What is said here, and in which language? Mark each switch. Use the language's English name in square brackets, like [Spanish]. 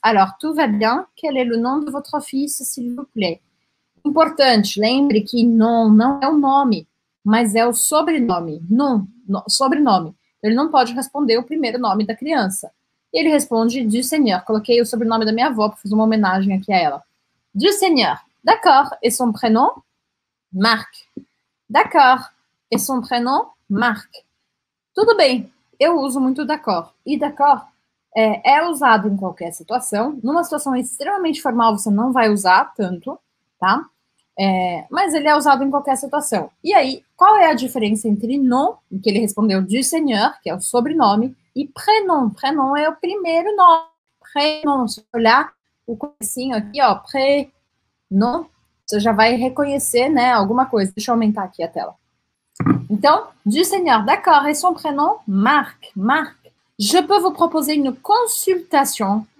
[French] Alors, tout va bien, quel est le nom de votre fils, s'il vous plaît? [Portuguese] Importante, lembre que não é o nome, mas é o sobrenome, sobrenome. Ele não pode responder o primeiro nome da criança. Ele responde, du seigneur, coloquei o sobrenome da minha avó, porque fiz uma homenagem aqui a ela. [French] Du seigneur, d'accord, et son prénom? Marc. D'accord, et son prénom? Marc. [Portuguese] Tudo bem, eu uso muito d'accord. E d'accord é usado em qualquer situação. Numa situação extremamente formal, você não vai usar tanto, tá? Mas ele é usado em qualquer situação. E aí, qual é a diferença entre non, que ele respondeu du seigneur, que é o sobrenome, e prénom? Prénom é o primeiro nome. Prénom, se olhar o comecinho aqui, ó, prénom, você já vai reconhecer, né, alguma coisa. Deixa eu aumentar aqui a tela. [French] Então, du seigneur, d'accord, et son prénom, Marc. Marc, je peux vous proposer une consultation.